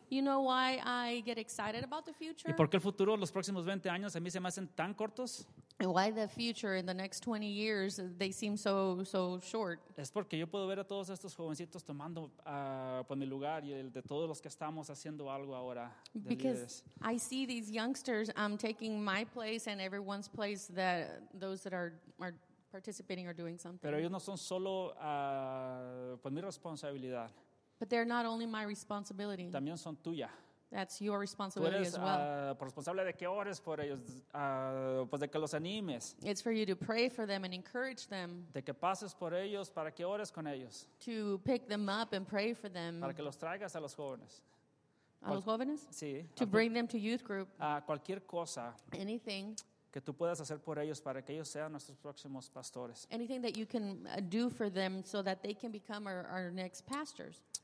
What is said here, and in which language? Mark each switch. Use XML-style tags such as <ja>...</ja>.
<en>You know why I get excited about the future?</en> <es>¿Y por qué el futuro, los próximos 20 años, a mí se me hacen tan cortos?</es> <en>And why the future in the next 20 years, they seem so short?</en> <es>Es porque yo puedo ver a todos estos jovencitos tomando mi lugar y el de todos los que estamos haciendo algo ahora.</es> <en>Because I see these youngsters taking my place and everyone's place, that those that are participating or doing something.</en> <es>Pero ellos no son solo mi responsabilidad.</es> <en>But they're not only my responsibility.</en> <es>También son tuya.</es> <en>That's your responsibility.</en> <es>Tú eres,</es> <en>as well.</en> <es>Responsable de que ores por ellos, pues de que los animes.</es> <en>It's for you to pray for them and encourage them.</en> <es>De que pases por ellos para que ores con ellos. To pick them up and pray for them. Para que los traigas a los jóvenes. A los jóvenes? Sí.</es> <en>To bring them to youth group.</en> <es>A cualquier cosa.</es> <en>Anything.</en> <es>Que tú puedas hacer por ellos para que ellos sean nuestros próximos pastores.</es> <en>Anything that you can do for them so that they can become our next pastors.</en>